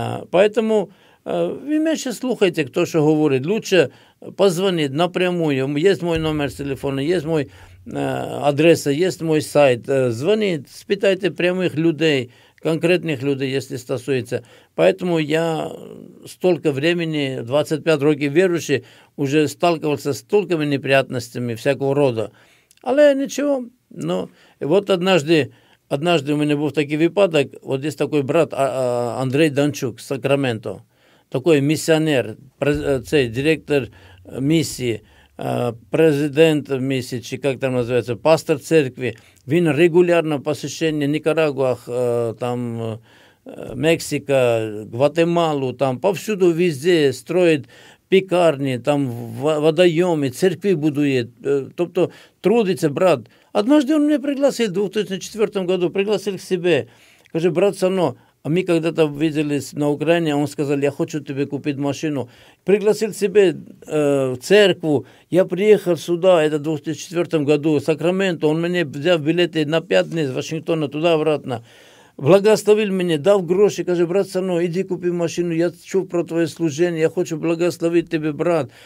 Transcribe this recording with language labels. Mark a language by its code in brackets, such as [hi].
[uk] Поэтому ви менше слухайте, хто що говорить. [ru] Лучше позвонити напряму. [uk] Є мій номер телефону, є мій адреса, є мій сайт. Дзвоніть, спитайте прямих людей, конкретних людей, якщо стосується. [ru] Поэтому я столько времени, 25 років веруючи, уже сталкивался с столькими неприятностями всякого рода. [uk] Але нічого. Ну, вот однажды у мене був такий випадок. Вот є такий брат Андрей Данчук з Сакраменто. [ru] Такой миссионер, директор миссии, президент миссии, чи как там называется, пастор церкви. Він регулярно посещение Никарагуа, там Мексика, Гватемалу, там повсюду везде строит пекарни, там водоемы, церкви будует. Тобто трудится брат. Однажды он меня пригласил в 2004 году, пригласил к себе. Каже, брат, со мной. [uk] А ми коли-то виділися на Україні, він сказав, я хочу тобі купити машину. Пригласив себе в церкву, я приїхав сюди, це в 2004 году, в Сакраменто, він мені взяв білети на 5 днів з Вашингтона туди-обратно. Благословив мене, дав гроші, каже, брат, сану, іди купи машину, я чув про твоє служення, я хочу благословити тебе, брат.